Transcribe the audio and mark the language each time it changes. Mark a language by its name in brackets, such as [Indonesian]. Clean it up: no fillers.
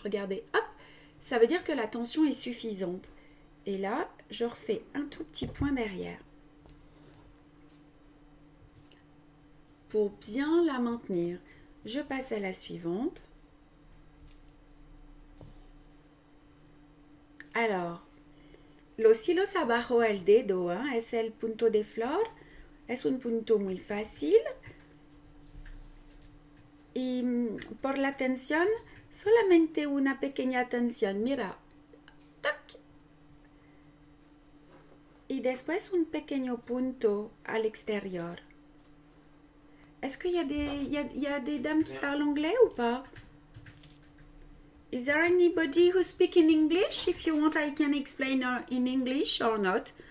[French] Regardez, hop, ça veut dire que la tension est suffisante. Et là, je refais un tout petit point derrière. Pour bien la maintenir, je passe à la suivante. [Spanish] Alors, los hilos abajo el dedo, hein, es el punto de flor, es un punto muy fácil. Y por la tensión, solamente una pequeña tensión, mira, toc. Y después un pequeño punto al exterior. [French] Est-ce qu'il y a des dames qui parlent anglais ou pas? [English] Is there anybody who speak in English? If you want, I can explain in English or not.